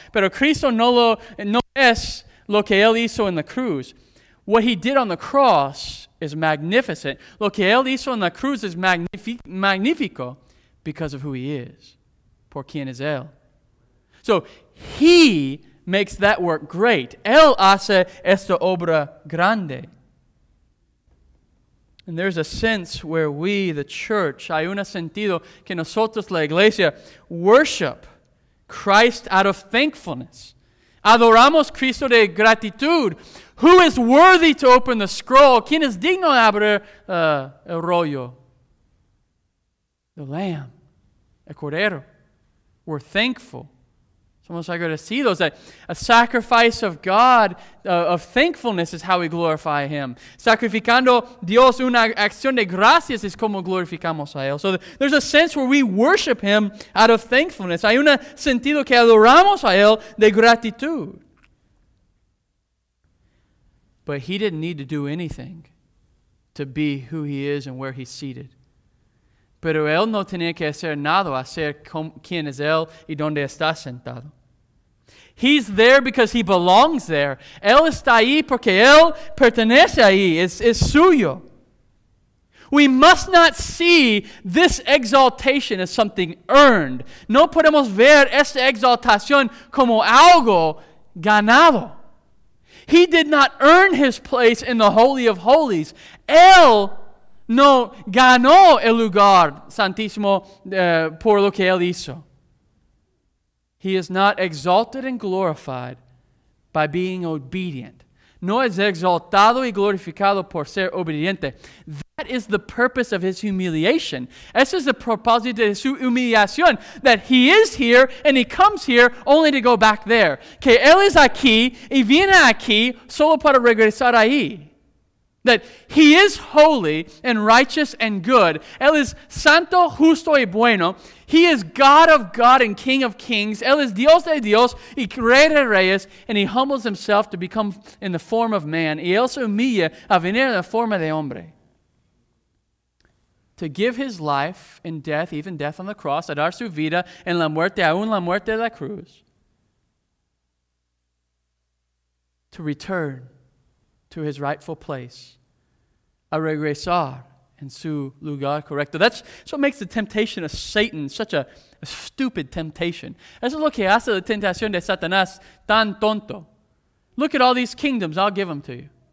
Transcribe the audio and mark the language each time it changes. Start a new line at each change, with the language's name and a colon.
Spanish: Pero Cristo no es lo que él hizo en la cruz.
English: What he did on the cross is magnificent.
Spanish: Lo que él hizo en la cruz es magnífico.
English: Because of who he is.
Spanish: Por quien es él.
English: So he makes that work great.
Spanish: Él hace esta obra grande.
English: And there's a sense where we, the church,
Spanish: hay un sentido que nosotros, la iglesia,
English: worship Christ out of thankfulness.
Spanish: Adoramos Cristo de gratitud.
English: Who is worthy to open the scroll?
Spanish: ¿Quién es digno de abrir el rollo?
English: The Lamb.
Spanish: El Cordero.
English: We're thankful.
Spanish: Somos agradecidos. A sacrifice of God, of thankfulness, is how we glorify him. Sacrificando Dios una acción de gracias es como glorificamos a él.
English: So there's a sense where we worship him out of thankfulness.
Spanish: Hay un sentido que adoramos a él de gratitud.
English: But he didn't need to do anything to be who he is and where he's seated.
Spanish: Pero él no tenía que hacer nada a ser quien es él y dónde está sentado.
English: He's there because he belongs there.
Spanish: Él está ahí porque él pertenece ahí. Es suyo.
English: We must not see this exaltation as something earned.
Spanish: No podemos ver esta exaltación como algo ganado.
English: He did not earn his place in the Holy of Holies.
Spanish: Él no ganó el lugar santísimo por lo que él hizo.
English: He is not exalted and glorified by being obedient.
Spanish: No es exaltado y glorificado por ser obediente.
English: That is the purpose of his humiliation.
Spanish: Ese es el propósito de su humillación.
English: That he is here and he comes here only to go back there.
Spanish: Que él es aquí y viene aquí solo para regresar ahí.
English: That he is holy and righteous and good.
Spanish: Él es santo, justo y bueno.
English: He is God of God and King of kings.
Spanish: Él es Dios de Dios y Rey de Reyes.
English: And he humbles himself to become in the form of man.
Spanish: Y él se humilla a venir en la forma de hombre.
English: To give his life and death, even death on the cross,
Spanish: a dar su vida en la muerte, aún la muerte de la cruz.
English: To return to his rightful place,
Spanish: a regresar en su lugar correcto.
English: That's what makes the temptation of Satan such a stupid temptation.
Spanish: Eso es lo que hace la tentación de Satanás tan tonto.
English: Look at all these kingdoms, I'll give them to you.